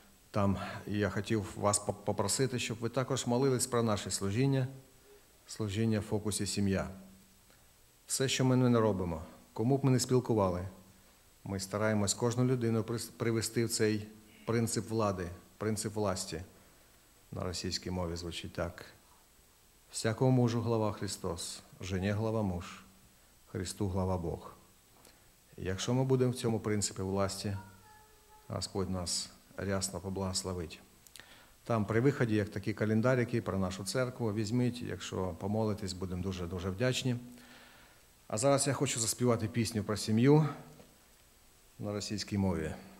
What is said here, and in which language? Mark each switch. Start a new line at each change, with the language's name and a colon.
Ukrainian: Там я хотів вас попросити, щоб ви також молились про наше служіння, служіння в фокусі сім'я. Все, що ми не робимо, кому б ми не спілкували, ми стараємось кожну людину привести в цей принцип влади, принцип власті. На російській мові звучить так.
Russian: Всякому мужу глава Христос, жені глава муж, Христу глава Бог.
Ukrainian: І якщо ми будемо в цьому принципі власті, Господь нас рясно поблагословить. Там при виході, як такі календарики про нашу церкву, візьміть, якщо помолитесь, будемо дуже-дуже вдячні. А зараз я хочу заспівати пісню про сім'ю на російській мові.